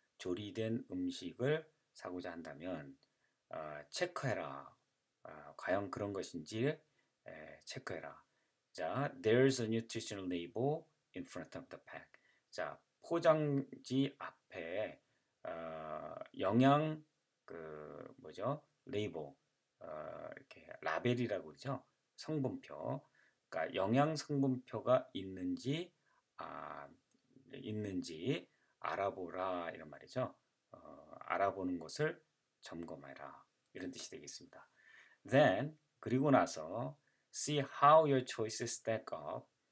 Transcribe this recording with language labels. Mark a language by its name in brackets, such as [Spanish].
[Korean] 조리된 음식을 사고자 한다면, 체크해라. 과연 그런 것인지 체크해라. [English] 자, there's a nutrition label in front of the pack. [Korean] 자, 포장지 앞에 영양 뭐죠? 레이블, 이렇게 라벨이라고 그러죠? 성분표. 그러니까 영양 성분표가 있는지 있는지 알아보라 이런 말이죠. 알아보는 것을 점검해라 이런 뜻이 되겠습니다. [English] Then, [Korean] 그리고 나서, [English] see how your choices stack up.